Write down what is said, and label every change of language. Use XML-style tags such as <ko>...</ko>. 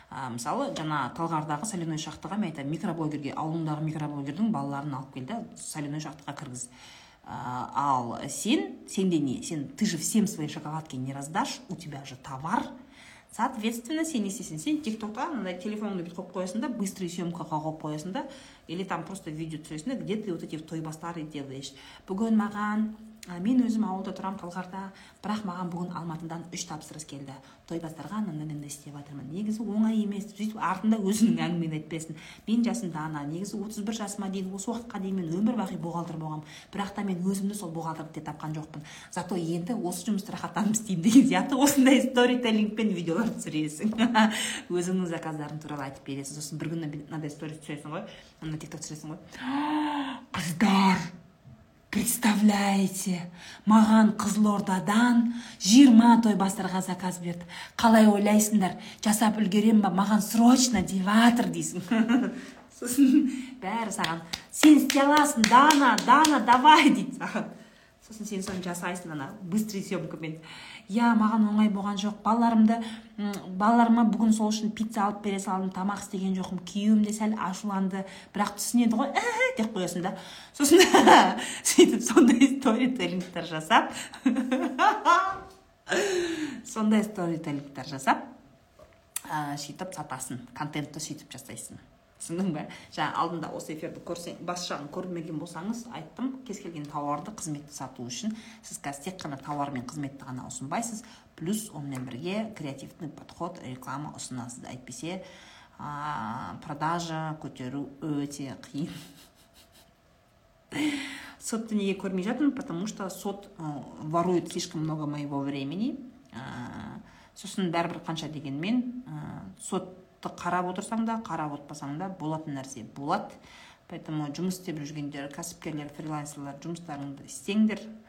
<kk>Мысалы, жаңа Талғардағы соляной шахтыға мен айтамын, микроблогерге, ауылындағы микроблогердің балаларын алып келді, соляной шахтыға кіргіз. Ал сен, сенде не?</kk> <ru>Сен, ты же всем свои шоколадки не раздашь, у тебя же товар.</ru> <kk>Соответственно, сен не істейсің, сен TikTok-та мынандай телефоныңды бүйтіп қойып қоясың да, быстрый съемкаға қойып қоясың да,</kk> <ru>или там просто видео</ru> <kk>түсіресің да,</kk> <ru>где ты вот эти</ru> <kk>тойбастары делаешь. Бүгін маған мен өзім ауылда тұрамын Талғарда, бірақ маған бүгін Алматыдан үш тапсырыс келді. Тойбастарға анандай істеп жатырмын. Негізі оңай емес, сөйтіп артында өзінің әңгімені айтпайсын. Мен жасым дана, негізі 31 жасыма дейін осы уақытқа дейін мен өмір бақи бухгалтер болғанмын. Бірақ та мен өзімді сол бухгалтерді деп тапқан жоқпын. Зато енді осы жұмысты рахаттанып істеймін деген сияқты осындай сторителлингпен видеолар түсіресің. Өзіңнің заказдарың туралы айтып бересің. Сосын бір күні мынандай сторис түсіресің ғой, мына TikTok түсіресің ғой. Қыздар! Представляете, маған Қызылордадан 20 тойбастарға заказ берді. Қалай ойлайсыңдар, жасап үлгерем ба, маған срочно деватыр дейсің. Сосын бәрі саған, сен істей аласың, Дана, Дана, давай дейді саған. Сосын сен соны жасайсың, ана быстрый съемкамен. Я, маған оңай болған жоқ, балаларыма бүгін сол үшін пицца алып бере салдым, тамақ істеген жоқым, күйеуім де сәл ашуланды, бірақ түсінеді ғой, деп қоясың да. Сосын сөйтіп сондай сторителлингтер жасап, сондай сторителлингтер жасап, сөйтіп сатасың, контентті сөйтіп жасайсың. Түсіндің бе? Жаңа алдында осы эфирді көрсең, басшағын көрмеген болсаңыз, айттым, кез келген тауарды қызметті сату үшін, сіз қазір тек қана тауар мен қызметті ғана ұсынбайсыз, плюс онымен бірге креативті подход, реклама ұсынасыз. Әйтпесе, продажа көтеру өте қиын. Сотты неге көрмей жатын?</kk> <ru>Потому что сот ворует слишком много моего времени.</ru> <kk>Сосын бәрібір қанша дегенмен, сотты қарап отырсаң да, қарап отпасаң да, болатын нәрсе болады. Поэтому жұмыс істеп жүргендер, кәсіпкерлер, фрилансерлер, жұмыстарыңды істеңдер.</kk>